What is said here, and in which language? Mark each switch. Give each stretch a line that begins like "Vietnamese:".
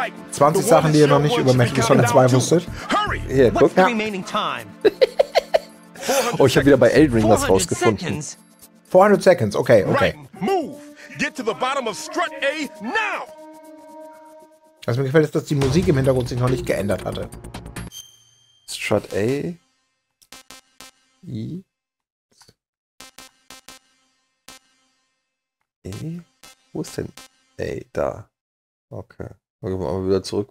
German: 20 Sachen, die ihr noch nicht über Mechanic Solid 2 wusstet. Hier, guck mal. Oh, ich hab wieder bei Eldring was rausgefunden.
English: 400 Seconds, okay, okay. Get to the bottom of strut A now!
German: Was mir gefällt, ist, dass die Musik im Hintergrund sich noch nicht geändert hatte.
English: Strut A. I.
German: E. Wo ist denn A? Da. Okay. Dann gehen wir wieder zurück.